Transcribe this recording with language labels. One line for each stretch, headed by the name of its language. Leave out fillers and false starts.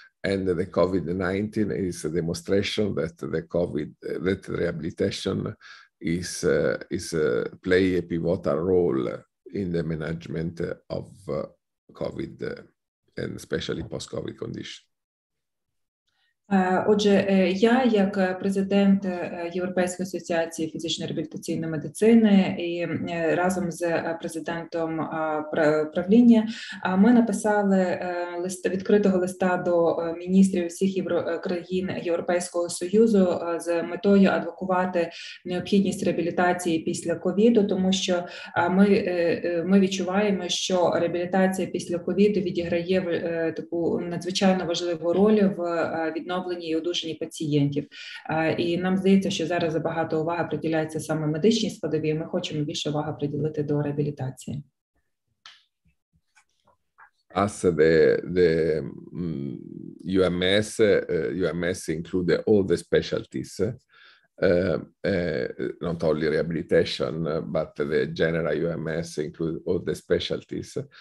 English: And the COVID-19 is a demonstration that that rehabilitation is play a pivotal role in the management of COVID and especially post-COVID condition.
Ukrainian: Отже, я як президент Європейської асоціації фізичної реабілітаційної медицини і разом з президентом правління ми написали лист відкритого листа до міністрів всіх країн Європейського Союзу з метою адвокувати необхідність реабілітації після ковіду, тому що ми відчуваємо, що реабілітація після ковіду відіграє таку надзвичайно важливу роль в відновленні і одужані пацієнтів. І нам здається, що зараз багато уваги приділяється саме медичній складові, і ми хочемо більше уваги приділити до реабілітації.
English: As the UMS, UMS include all the specialties, not only rehabilitation, but the general UMS include all the specialties.